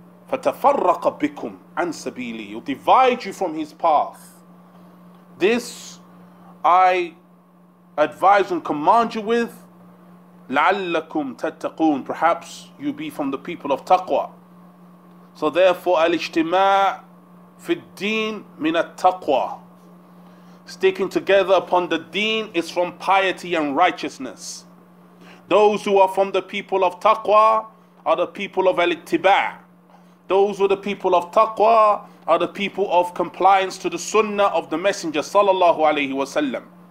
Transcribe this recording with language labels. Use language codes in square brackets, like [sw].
[ar] فَتَفَرَّقَ بِكُمْ عَنْ سَبِيلِي. [en] He'll divide you from his path. This I advise and command you with. [ar] لَعَلَّكُمْ تَتَّقُونَ. [en] Perhaps you be from the people of taqwa. So therefore, [ar] الْإِجْتِمَاعِ فِي الدِّينِ مِنَ التَّقْوَى. [en] Sticking together upon the deen is from piety and righteousness. Those who are from the people of taqwa are the people of al-ittiba'. Those who are the people of taqwa are the people of compliance to the sunnah of the Messenger sallallahu alayhi wa sallam.